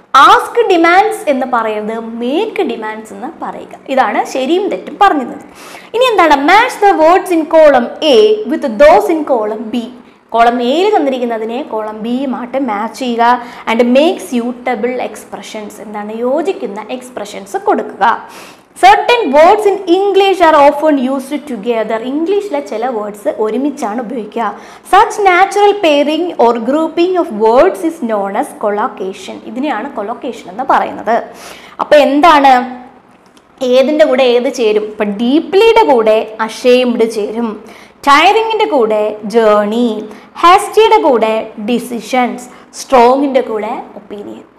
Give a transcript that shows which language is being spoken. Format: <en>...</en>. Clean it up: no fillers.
<en>ask demands</en> <ml>എന്ന് പറയരുത്,</ml> <en>make demands</en> <ml>എന്ന് പറയുക. ഇതാണ് ശരിയും തെറ്റും പറഞ്ഞിരുന്നത്. ഇനി എന്താണ്,</ml> <en>Match the words in column A with those in column B.</en> <ml>Column എയിൽ തന്നിരിക്കുന്നതിനെ കോളം ബിയുമായിട്ട് മാച്ച് ചെയ്യുക.</ml> <en>and make suitable expressions,</en> <ml>എന്താണ് യോജിക്കുന്ന എക്സ്പ്രഷൻസ് കൊടുക്കുക.</ml> <en>Certain words in English are often used together.</en> <ml>ഇംഗ്ലീഷിലെ ചില വേർഡ്സ് ഒരുമിച്ചാണ് ഉപയോഗിക്കുക.</ml> <en>Such natural pairing or grouping of words is known as collocation.</en> <ml>ഇതിനെയാണ് കൊളോക്കേഷൻ എന്ന് പറയുന്നത്. അപ്പോൾ എന്താണ്, ഏതിൻ്റെ കൂടെ ഏത് ചേരും? ഇപ്പം ഡീപ്ലിയുടെ കൂടെ അഷേംഡ് ചേരും. ടയറിങ്ങിൻ്റെ കൂടെ ജേർണി. ഹാസ്റ്റിയുടെ കൂടെ ഡിസിഷൻസ്. സ്ട്രോങ്ങിൻ്റെ കൂടെ ഒപ്പീനിയൻ.</ml>